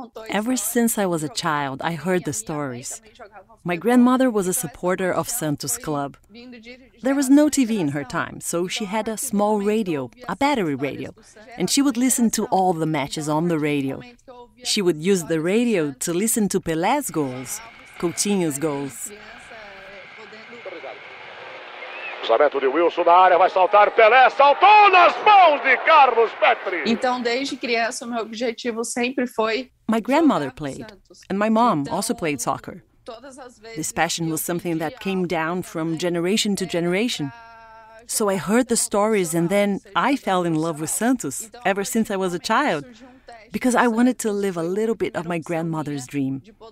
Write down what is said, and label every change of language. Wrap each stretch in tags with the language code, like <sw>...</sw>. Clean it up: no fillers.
<en>Ever since I was a child, I heard the stories. My grandmother was a supporter of Santos Club. There was no TV in her time, so she had a small radio, a battery radio, and she would listen to all the matches on the radio. She would use the radio to listen to Pelé's goals, Coutinho's goals.</en> <pt>Lançamento de Wilson na área, vai saltar Pelé, saltou nas mãos de Carlos Petri. Então, desde criança, o meu objetivo sempre foi.</pt> <en>My grandmother played, and my mom also played soccer. This passion was something that came down from generation to generation. So I heard the stories, and then I fell in love with Santos ever since I was a child, because I wanted to live a little bit of my grandmother's dream.</en>